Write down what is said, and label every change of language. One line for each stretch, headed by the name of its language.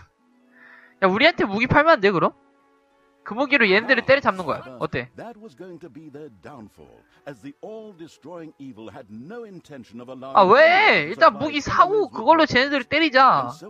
Korean: 야, 우리한테 무기 팔면 안 돼 그럼? 그 무기로 얘네들을 때려잡는 거야. 어때?
English: That was going to be their downfall, as the all-destroying evil had no intention of allowing.
Korean: 아, 왜? 일단 무기 사고 그걸로 쟤네들을 때리자.